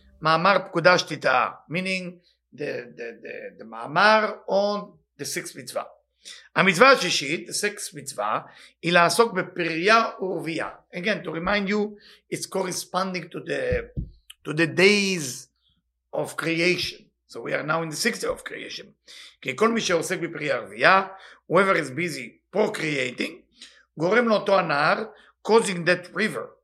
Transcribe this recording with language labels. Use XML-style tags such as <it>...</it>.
<en>Ma'amar Pkudash Tita, meaning the Ma'amar on the sixth mitzvah.</en> <he>המצווה השישית,</he> <en>the sixth mitzvah,</en> <he>היא לעסוק בפריה ורבייה.</he> <en>Again, to remind you, it's corresponding to the days of creation. So we are now in the sixth day of creation.</en> <he>כי כל מי שעוסק בפריה ורבייה,</he> <en>whoever is busy procreating,</en> <he>גורם לאותו הנער,</he> <en>causing that river.</en>